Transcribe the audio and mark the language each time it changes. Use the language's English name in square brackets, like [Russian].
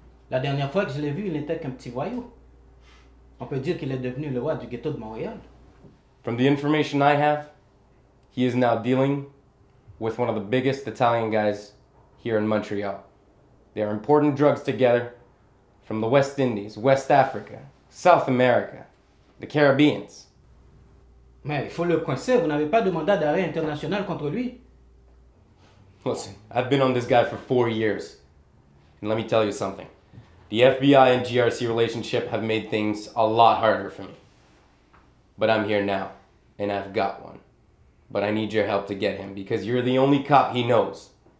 [French] La dernière fois que je l'ai vu, il n'était qu'un petit voyou. On peut dire qu'il est devenu le roi du ghetto de Montréal. [English] From the information I have, he is now dealing with one of the biggest Italian guys here in Montreal. They are importing drugs together from the West Indies, West Africa, South America, the Caribbeans. [French] Mais il faut le coincer, vous n'avez pas de mandat d'arrêt international contre lui. [English] Listen, I've been on this guy for 4 years. And let me tell you something. The FBI and GRC relationship have made things a lot harder for me. But I'm here now, and I've got one. But I need your help to get him, because you're the only cop he knows.